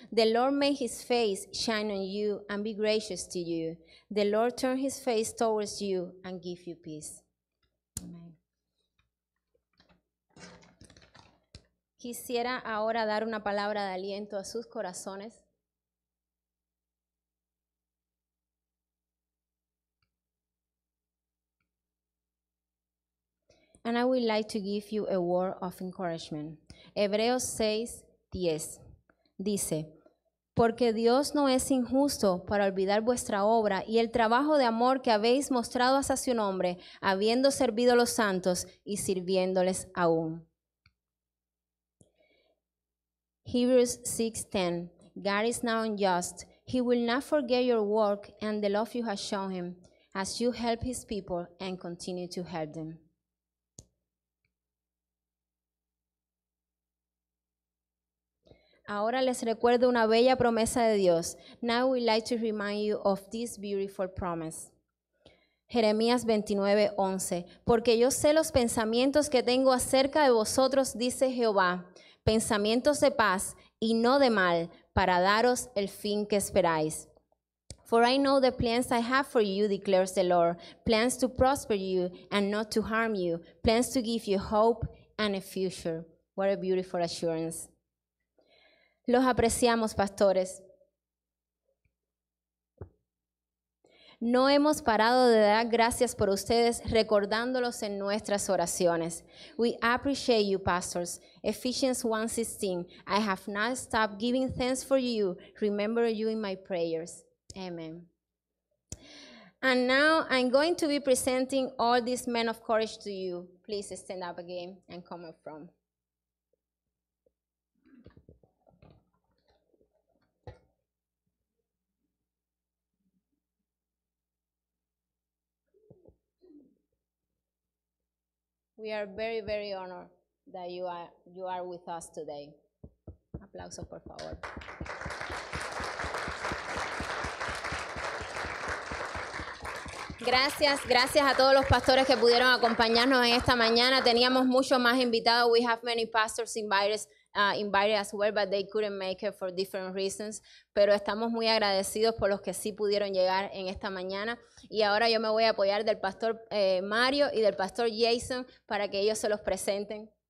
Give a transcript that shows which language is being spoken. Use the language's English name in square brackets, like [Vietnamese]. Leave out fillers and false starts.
[English] The Lord make his face shine on you and be gracious to you. The Lord turn his face towards you and give you peace. Amen. [Spanish] Quisiera ahora dar una palabra de aliento a sus corazones. [English] And I would like to give you a word of encouragement. [Spanish] Hebreos 6:10 dice, porque Dios no es injusto para olvidar vuestra obra y el trabajo de amor que habéis mostrado hacia su nombre, habiendo servido a los santos y sirviéndoles aún. [English] Hebrews 6:10, God is not unjust. He will not forget your work and the love you have shown him as you help his people and continue to help them. [Spanish] Ahora les recuerdo una bella promesa de Dios. [English] Now we'd like to remind you of this beautiful promise. [Spanish] Jeremías 29:11. Porque yo sé los pensamientos que tengo acerca de vosotros, dice Jehová, pensamientos de paz y no de mal, para daros el fin que esperáis. [English] For I know the plans I have for you, declares the Lord, plans to prosper you and not to harm you, plans to give you hope and a future. What a beautiful assurance. [Spanish] Los apreciamos, pastores. No hemos parado de dar gracias por ustedes, recordándolos en nuestras oraciones. [English] We appreciate you, pastors. Ephesians 1:16. I have not stopped giving thanks for you. Remember you in my prayers. Amen. And now I'm going to be presenting all these men of courage to you. Please stand up again and come up front. We are very, very honored that you are with us today. [Spanish] Aplausos, por favor. Gracias a todos los pastores que pudieron acompañarnos en esta mañana. Teníamos mucho más invitados. [English] We have many pastors invited as well, but they couldn't make it for different reasons. [Spanish] Pero estamos muy agradecidos por los que sí pudieron llegar en esta mañana. Y ahora yo me voy a apoyar del pastor Mario y del pastor Jason para que ellos se los presenten.